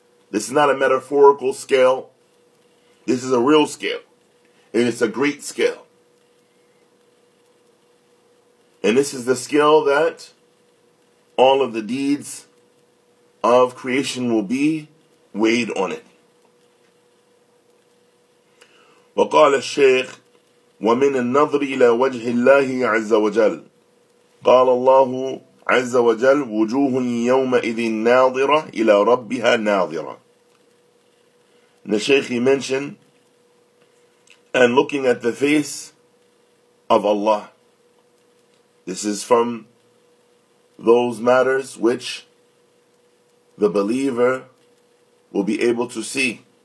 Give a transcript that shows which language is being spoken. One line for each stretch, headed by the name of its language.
English: This is not a metaphorical scale. This is a real scale. And it's a great scale. And this is the scale that all of the deeds of creation will be weighed on it.
Arabic: وقال الشيخ ومن النظر إلى وجه الله عز وجل. قال الله عز وجل وجوه يومئذ ناظرة إلى ربها ناظرة.
English: And the Shaykh, he mentioned, and looking at the face of Allah. This is from those matters which the believer will be able to see.